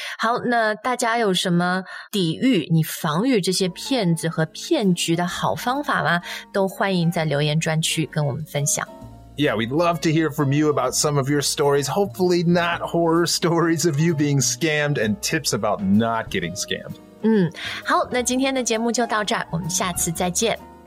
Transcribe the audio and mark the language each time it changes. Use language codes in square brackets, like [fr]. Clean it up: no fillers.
[zh] 好，那大家有什么抵御你防御这些骗子和骗局的好方法吗？都欢迎在留言专区跟我们分享。 [en] Yeah, we'd love to hear from you about some of your stories, hopefully not horror stories of you being scammed and tips about not getting scammed. [zh] 好，那今天的节目就到这儿，我们下次再见。